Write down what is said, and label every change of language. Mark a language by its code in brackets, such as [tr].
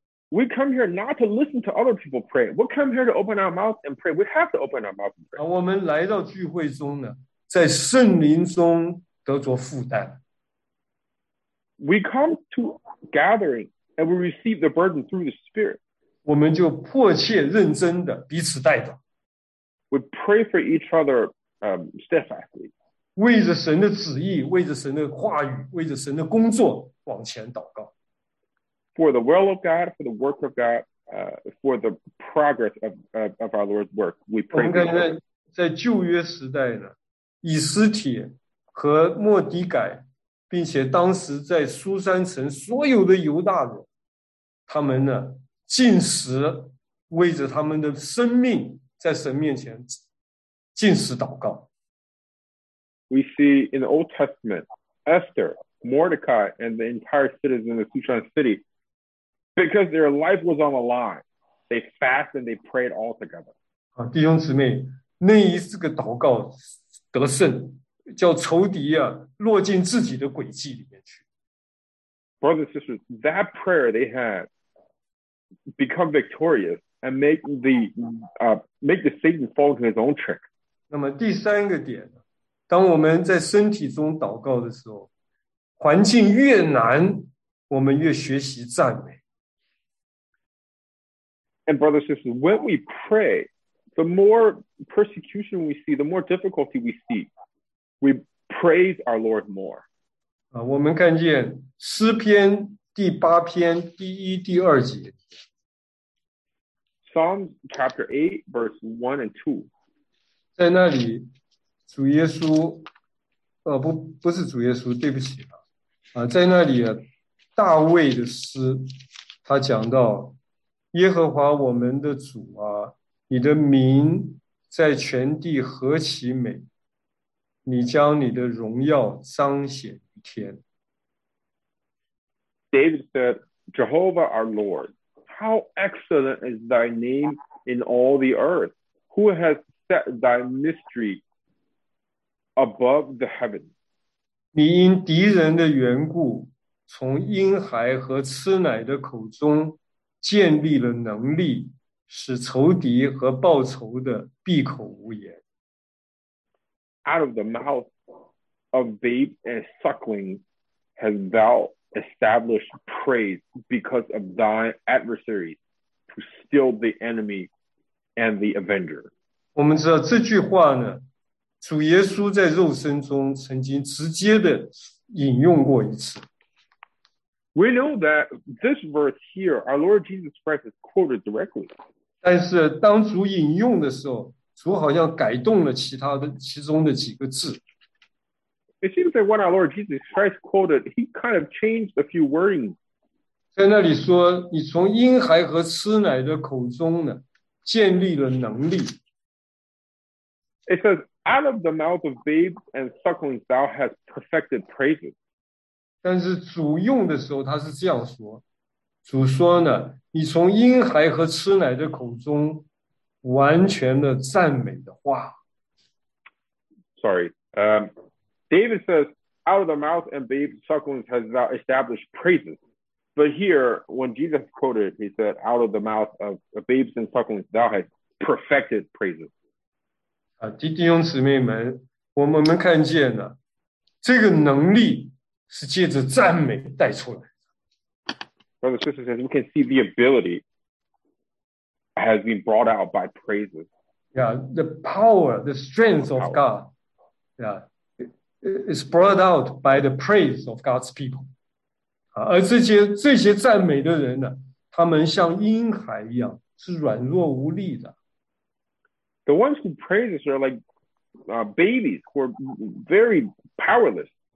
[en] We come here not to listen to other people pray. We come here to open our mouth and pray. We have to open our mouth and pray. [zh] 我们来到聚会中呢，在圣灵中得着负担。 [en] We come to gathering and we receive the burden through the Spirit. [zh] 我们就迫切认真的彼此代祷。 [en] We pray for each other steadfastly. [zh] 为着神的旨意，为着神的话语，为着神的工作往前祷告。 [en] For the will of God, for the work of God, for the progress of our Lord's work, we pray. [zh] 我们看看在旧约时代呢，以斯帖和莫迪改，并且当时在苏珊城所有的犹大人，他们呢禁食，为着他们的生命在神面前禁食祷告。 [en] We see in the Old Testament, Esther, Mordecai, and the entire citizens of Susan City. Because their life was on the line, they fasted and they prayed all together. [zh] 弟兄姊妹，那一次个祷告得胜，叫仇敌啊落进自己的诡计里面去。 [en] brothers and sisters, that prayer they had become victorious and make the Satan fall into his own trick. [zh] 那么第三个点，当我们在身体中祷告的时候，环境越难，我们越学习赞美。 [en] And brothers and sisters, when we pray, the more persecution we see, the more difficulty we see, we praise our Lord more. [zh] 我们看见诗篇第八篇第一、第二节。 [en] Psalms chapter 8, verse 1 and 2. [zh] 在那里，主耶稣，不是主耶稣，对不起啊，在那里，大卫的诗，他讲到耶和华我们的主啊，你的名在全地何其美，你将你的荣耀彰显于天。 [en] David said, Jehovah our Lord, how excellent is thy name in all the earth, who has set thy mystery above the heaven. [zh] 你因敌人的缘故，从婴孩和吃奶的口中建立了能力，使仇敌和报仇的闭口无言。 [en] Out of the mouth of babe and suckling has thou established praise because of thy adversaries to still the enemy and the avenger. [zh] 我们知道这句话呢，主耶稣在肉身中曾经直接的引用过一次。 [en] We know that this verse here, our Lord Jesus Christ is quoted directly. [zh] 但是当主引用的时候，主好像改动了其中的几个字。 [en] It seems that when our Lord Jesus Christ quoted, he kind of changed a few wording. [zh] 在那里说，你从婴孩和吃奶的口中呢，建立了能力。 [en] It says, out of the mouth of babes and sucklings thou hast perfected praises. [zh] 但是主用的时候他是这样说，主说呢，你从婴孩和吃奶的口中完全的赞美的话。 [en] Sorry, David says, out of the mouth and babe sucklings has thou established praises. But here, when Jesus quoted, he said, out of the mouth of babes and sucklings thou hast perfected praises. [zh] 弟兄姊妹们，我们看见了这个能力是借着赞美带出来的。 [en] Brother and sister says, we can see the ability has been brought out by praises. Yeah, the power, the strength of God, is brought out by the praise of God's people. 而这些赞美的人呢，他们像婴孩一样，是软弱无力的。 The ones who praise us are like babies who are very powerless.